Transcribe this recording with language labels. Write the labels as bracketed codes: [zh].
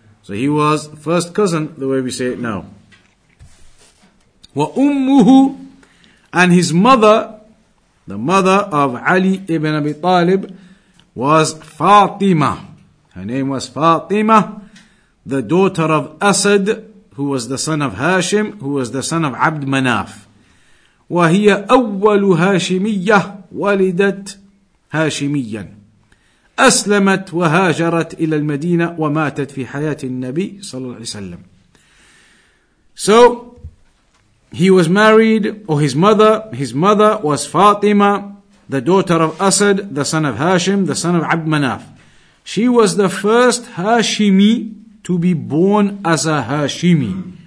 [en] So he was first cousin, the way we say it now. Wa ummuhu, and his mother, the mother of Ali ibn Abi Talib, was Fatima. Her name was Fatima, the daughter of Asad, who was the son of Hashim, who was the son of Abd Manaf. [ar] وهي أول هاشمية ولدت هاشميا أسلمت وهاجرت إلى المدينة وماتت في حياة النبي صلى الله عليه وسلم. [en] So he was married, or his mother was Fatima, the daughter of Asad, the son of Hashim, the son of Abd Manaf. She was the first Hashimi to be born as a Hashimi.